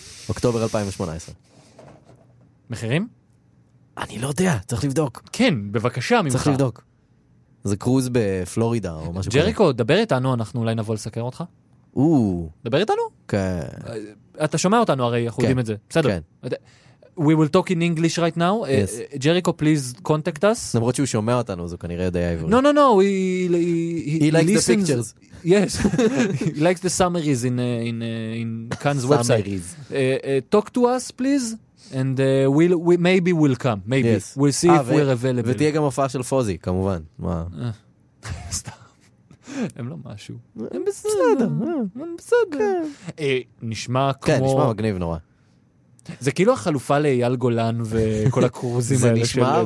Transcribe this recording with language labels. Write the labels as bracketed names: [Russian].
[Hebrew] אוקטובר 2018. מחירים? אני לא יודע, צריך לבדוק. כן, בבקשה ממך. צריך לבדוק. זה קרוז בפלורידה או משהו כזה. ג'ריקו, דבר איתנו, אנחנו אולי נבוא לסקר אותך. דבר איתנו? כן. אתה שומע אותנו הרי, אנחנו יודעים את זה. בסדר. כן. [English] We will talk in English right now. Yes. Jericho, please contact us. [Hebrew] למרות שהוא שומע אותנו, זה כנראה יודע עברית. [English] No, no, no. He likes listens. The pictures. Yes. He likes the summaries in Khan's website. Summaries. Talk to us, please. And maybe we'll come. Maybe. Yes. We'll see if we're available. [Hebrew] ותהיה גם הופעה של פוזי, כמובן. מה? הם לא משהו. הם בסדר. הם בסדר. נשמע כמו... כן, נשמע מגניב נורא. זה כאילו החלופה לאייל גולן וכל הקרוזים האלה של מנוס הפנים.